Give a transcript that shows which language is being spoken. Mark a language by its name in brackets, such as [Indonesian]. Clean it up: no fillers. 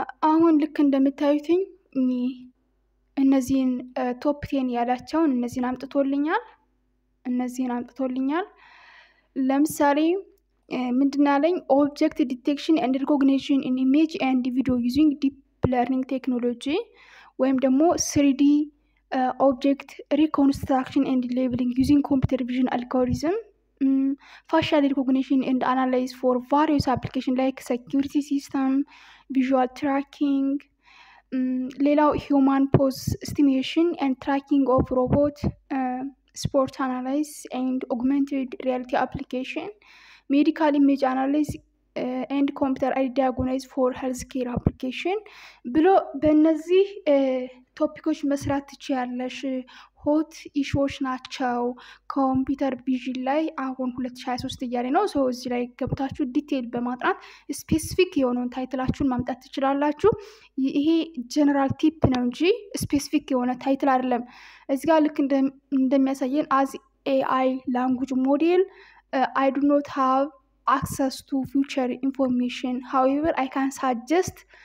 [Amharic] አሁን ልክ እንደምታዩትኝ እነዚህን ቶፕ ቴን ያላቸውን እነዚህን አምጥቶልኛል። ለምሳሌ ምንድን ያለኝ [English] ኦብጀክት ዲቴክሽን ኤንድ ሪኮግኒሽን ኢን ኢሜጅ ኤንድ ቪዲዮ ዩዚንግ ዲፕ ለርኒንግ ቴክኖሎጂ [Amharic] ወይም ደግሞ [English] 3D ኦብጀክት ሪኮንስትራክሽን ኤንድ ሌብሊንግ ዩዚንግ ኮምፒውተር ቪዥን አልጎሪዝም፣ ፋሻል ሪኮግኒሽን ኤንድ አናላይዝ ፎር ቫሪየስ አፕሊኬሽን ላይክ ሴኩሪቲ ሲስተም visual tracking, [Amharic] ሌላው [English] human pose estimation and tracking of robot, sport analysis and augmented reality application, medical image analysis, and computer aided diagnosis for healthcare application. [Amharic] ብሎ በእነዚህ ቶፒኮች መስራት ትችያለሽ። ሆት ኢሹዎች ናቸው ኮምፒውተር ቪዥን ላይ አሁን 2023 ያለ ነው። ሶ እዚህ ላይ ገብታችሁ ዲቴል በማጥናት ስፔሲፊክ የሆነውን ታይትላችሁን ማምጣት ትችላላችሁ። ይሄ ጀነራል ቲፕ ነው እንጂ ስፔሲፊክ የሆነ ታይትል አይደለም። እዚህ ጋር ልክ እንደሚያሳየን [English] አዝ ኤአይ ላንጉጅ ሞዴል አይ ዱ ኖት ሃቭ አክሰስ ቱ ፊውቸር ኢንፎርሜሽን ሃውኤቨር አይ ካን ሳጀስት